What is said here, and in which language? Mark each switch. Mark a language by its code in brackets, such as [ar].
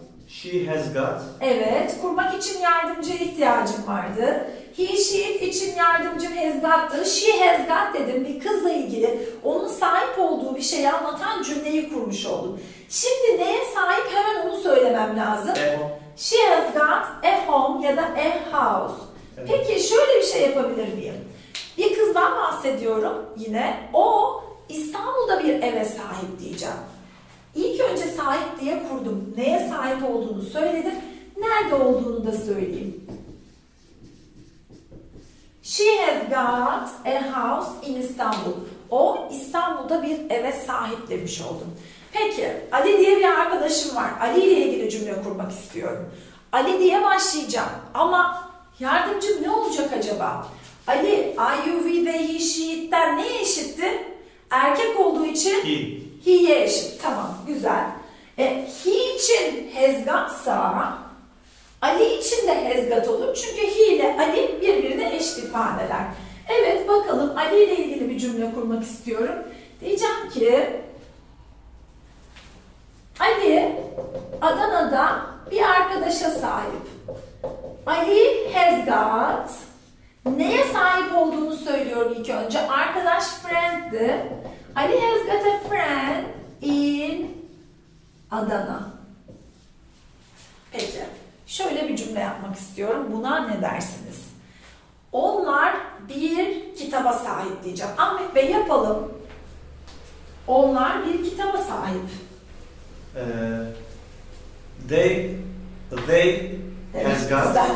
[en] She has got. [tr] Evet. Kurmak için yardımcı ihtiyacım vardı. He, she için yardımcım has got'tı. [en] She has got [tr] dedim. Bir kızla ilgili onun sahip olduğu bir şeyi anlatan cümleyi kurmuş oldum. Şimdi neye sahip hemen onu söylemem lazım. [en] A home. She has got a home [tr] ya da [en] a house. [tr] Evet. Peki şöyle bir şey yapabilir miyim? Bir kızdan bahsediyorum yine. O İstanbul'da bir eve sahip diyeceğim. İlk önce sahip diye kurdum. Neye sahip olduğunu söyledim. Nerede olduğunu da söyleyeyim. [en] She has got a house in Istanbul. [tr] O İstanbul'da bir eve sahip demiş oldum. Peki, Ali diye bir arkadaşım var. Ali ile ilgili cümle kurmak istiyorum. Ali diye başlayacağım. Ama yardımcım ne olacak acaba? Ali, I, you, we, they, he, she, it'ten neye eşitti? Erkek olduğu için [en] he. [tr] He'ye eşit. Tamam, güzel. He için has got'sa Ali için de [en] has got [tr] olur. Çünkü he ile Ali birbirine eşit ifadeler. Evet, bakalım Ali ile ilgili bir cümle kurmak istiyorum. Diyeceğim ki Ali Adana'da bir arkadaşa sahip. [en] Ali has got. [tr] Neye sahip olduğunu söylüyorum ilk önce. Arkadaş friend'di. [en] Ali has got a friend in Adana. [tr] Peki. Şöyle bir cümle yapmak istiyorum. Buna ne dersiniz? Onlar bir kitaba sahip diyeceğim. Ahmet Bey yapalım. Onlar bir kitaba sahip. [en] They [tr] evet, [en] has got.